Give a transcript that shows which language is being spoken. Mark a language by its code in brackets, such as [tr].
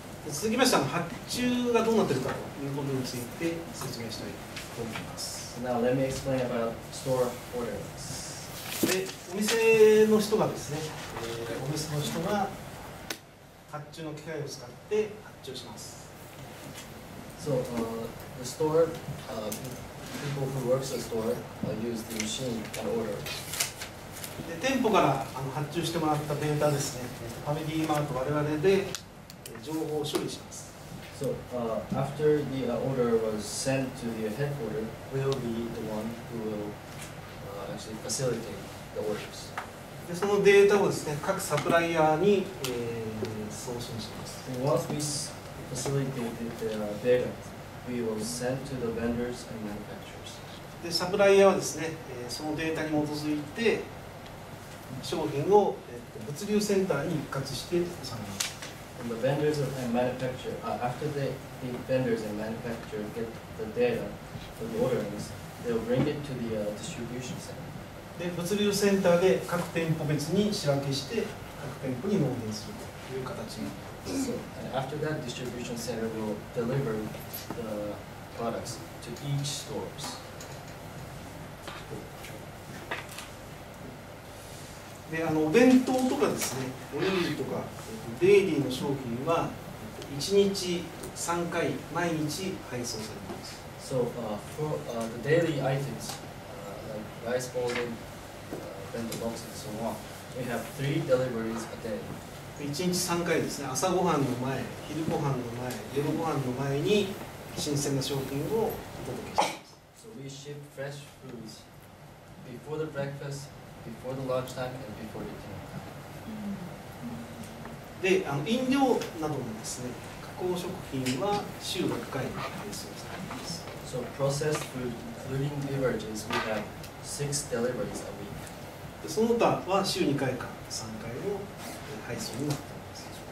[ja] 続きましては発注がどうなっているかということについて説明したいと思います。 [en] So、now let me explain about store orders. [ja] で、お店の人がですね、お店の人が発注の機械を使って発注します。 [en] So, the store, people who work at the store use the machine and order. [ja] で店舗から発注してもらったデータですね、ファミリーマート我々で情報を処理します。 [en] So, after the order was sent to the headquarter, we'll be the one who will actually facilitate the orders. [ja] でそのデータをですね、各サプライヤーに、送信します。 [en] And once we facilitated the data, we will send to the vendors and manufacturers. [ja] でサプライヤーはですね、そのデータに基づいて商品を物流センターに一括して納めます。 [en] And the vendors and manufacturer, after the vendors and manufacturer get the data for the orderings, they'll bring it to the distribution center. [ja] で、物流センターで各店舗別に仕分けして各店舗に納品するという形になります。 [en] So, after that, distribution center will deliver the products to each stores. [ja] で、あのお弁当とかですね、おにぎりとか、デイリーの商品は1日3回、毎日配送されます。 [en] So, for the daily items, like rice bowls and bento boxes and so on, we have three deliveries a day. [ja] 1日3回ですね、朝ごはんの前、昼ごはんの前、夜ごはんの前に新鮮な商品をお届けします。 [en] So we ship fresh foods before the breakfast,Before the lunch time and before the dinner time. [ja] で、あの飲料などのですね、加工食品は週6回配送されます。 [en] So processed food, including beverages, we have six deliveries a week. [ja] で、その他は週2回か3回を配送になっています。